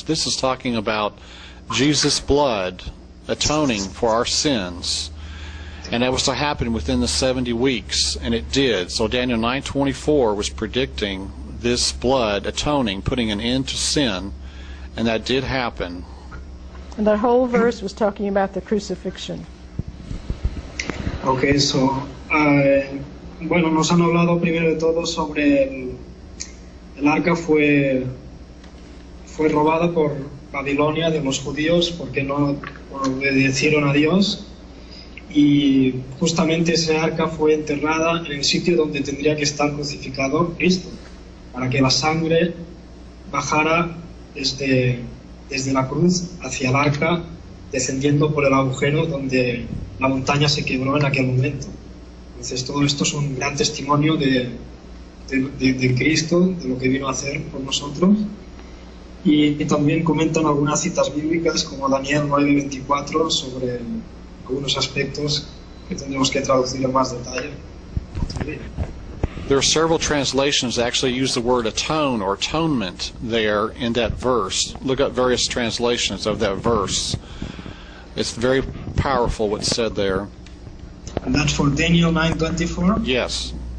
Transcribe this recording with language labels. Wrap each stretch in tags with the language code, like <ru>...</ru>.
<en>This is talking about Jesus' blood atoning for our sins. And that was to happen within the 70 weeks, and it did. So Daniel 9:24 was predicting this blood atoning, putting an end to sin, and that did happen. And the whole verse was talking about the crucifixion. Okay, so</en> <es>bueno, nos han hablado primero de todo sobre el arca fue robada por Babilonia de los judíos porque no obedecieron a Dios, y justamente ese arca fue enterrada en el sitio donde tendría que estar crucificado Cristo, para que la sangre bajara desde la cruz hacia el arca, descendiendo por el agujero donde la montaña se quebró en aquel momento. Entonces todo esto es un gran testimonio de Cristo, de lo que vino a hacer por nosotros. Y también comentan algunas citas bíblicas como Daniel 9:24 sobre algunos aspectos que tendremos que traducir en más detalle.</es> <en>There are several translations that actually use the word atone or atonement there in that verse. Look up various translations of that verse. It's very powerful what's said there. And that's for Daniel 9:24? Yes.</en>